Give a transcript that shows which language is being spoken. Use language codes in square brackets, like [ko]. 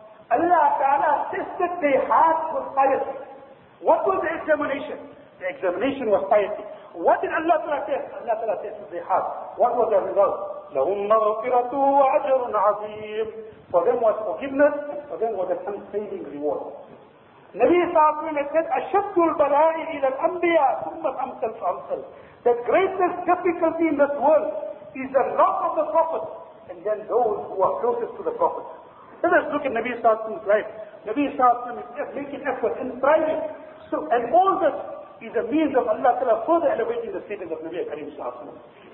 [en] Allah Ta'ala tested their hearts with piety. What was the examination? The examination was piety. What did Allah Ta'ala test? Allah Ta'ala tested their hearts. What was the result? [ar] لَهُمْ مَغْفِرَةٌ وَعَجْرٌ عَظِيمٌ. [en] For them was forgiveness, for them was an unfailing reward. [ar] Nabi sallallahu alayhi wa sallam said, أَشَدُّ الْبَلَاءِ إِلَى الْأَنْبِيَا ثُمَّ الْأَمْثَلُ فَأَمْثَلُ. [en] The greatest difficulty in this world is the lot of the Prophet and then those who are closest to the Prophet. Let us look at Nabi sallallahu alayhi wa sallam's life. Nabi sallallahu alayhi wa sallam is making effort and striving. So, and all this is a means of Allah Ta'ala further elevating the status of Nabi Kareem sallallahu alayhi wa sallam.